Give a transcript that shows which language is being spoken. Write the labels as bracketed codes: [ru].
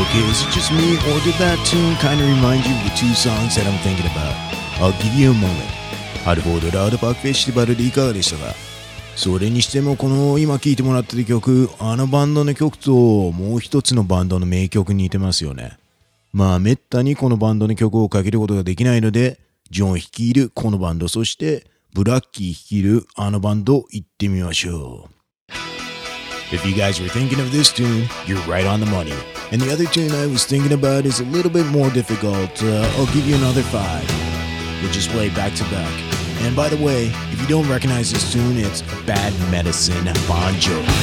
[en] is it just me, or did that tune kind of remind you of the two songs that I'm thinking about? I'll give you a moment. [ja] アルフォードラウドパークフェスティバルでいかがでしたか？それにしてもこの今聴いてもらってる曲、あのバンドの曲ともう一つのバンドの名曲に似てますよね。まあめったにこのバンドの曲をかけることができないので、ジョン率いるこのバンド、そしてブラッキー率いるあのバンド行ってみましょう。 [en] If you guys were thinking of this tune, you're right on the money. And the other tune I was thinking about is a little bit more difficult. I'll give you another five. We'll just play back to back. And by the way, if you don't recognize this tune, it's Bad Medicine Bon Jovi.